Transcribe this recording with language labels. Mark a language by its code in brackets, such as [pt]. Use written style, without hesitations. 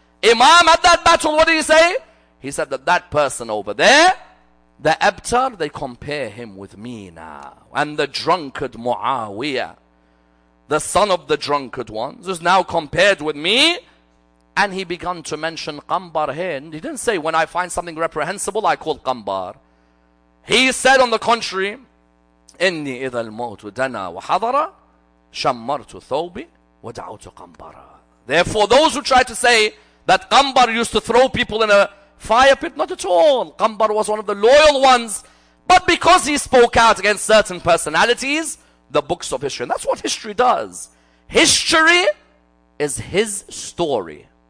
[en] Imam at that battle, what did he say? He said that that person over there, the Abtar, they compare him with me now. And the drunkard Muawiyah, the son of the drunkard ones, is now compared with me. And he began to mention Qambar here. And he didn't say, when I find something reprehensible, I call Qambar. He said, on the contrary, [ar] إني إذا الموت دنا وحضر شمرت ثوبي ودعوت قنبرا. [en] Therefore, those who try to say that Qambar used to throw people in a fire pit, not at all. Qambar was one of the loyal ones. But because he spoke out against certain personalities, the books of history. And that's what history does. History is his story.